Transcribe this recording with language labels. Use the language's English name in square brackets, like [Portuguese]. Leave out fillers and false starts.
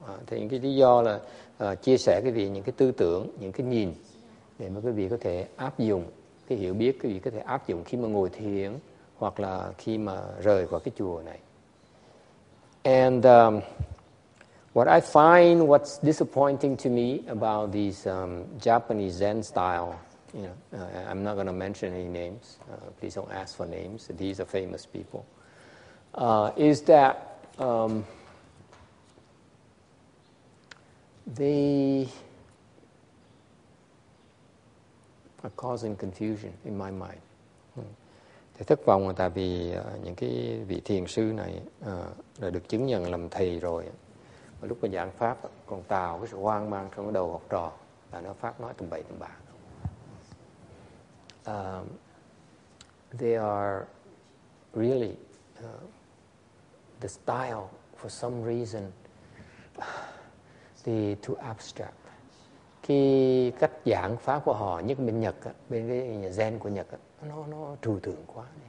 [Vietnamese] Thì những cái lý do là chia sẻ cái vị những cái tư tưởng, những cái nhìn để mà quý vị có thể áp dụng, cái hiểu biết quý vị có thể áp dụng khi mà ngồi thiền hoặc là khi mà rời khỏi cái chùa này. [English] And what I find, what's disappointing to me about these Japanese Zen style, I'm not going to mention any names. Please don't ask for names. These are famous people. Is that they are causing confusion in my mind. [Vietnamese] Thầy thất vọng là tại vì những cái vị thiền sư này đã được chứng nhận làm thầy rồi. Mà lúc mà giảng pháp còn tạo cái sự hoang mang trong cái đầu học trò, là nó pháp nói tầm bậy tầm bạ. [English] They are really the style, for some reason, the too abstract. [Vietnamese] Khi cách giảng pháp của họ, nhất bên Nhật, bên cái nhà Zen của Nhật, nó trừu tượng quá.